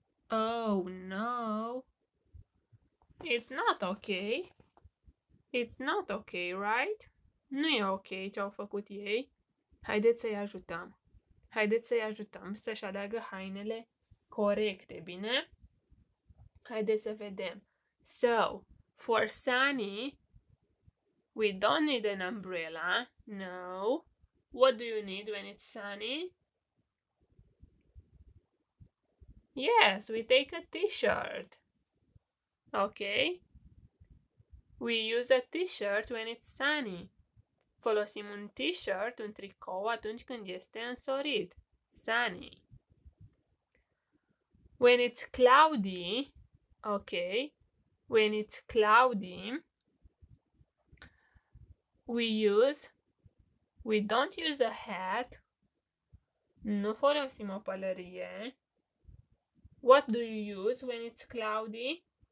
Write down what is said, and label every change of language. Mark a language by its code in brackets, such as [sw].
[en] Oh, no. It's not okay. It's not okay, right? [ro] Nu e ok ce au făcut ei. Haideți să-i ajutăm. Haideți să-i ajutăm să-și aleagă hainele corecte, bine? Haideți să vedem. [en] So, for sunny, we don't need an umbrella. No. What do you need when it's sunny? Yes, we take a t-shirt. Okay, we use a t-shirt when it's sunny. [ro] Folosim un t-shirt, un tricou, atunci când este însorit. [en] Sunny. When it's cloudy, okay, when it's cloudy, we don't use a hat. [ro] Nu folosim o pălărie. [en] What do you use when it's cloudy?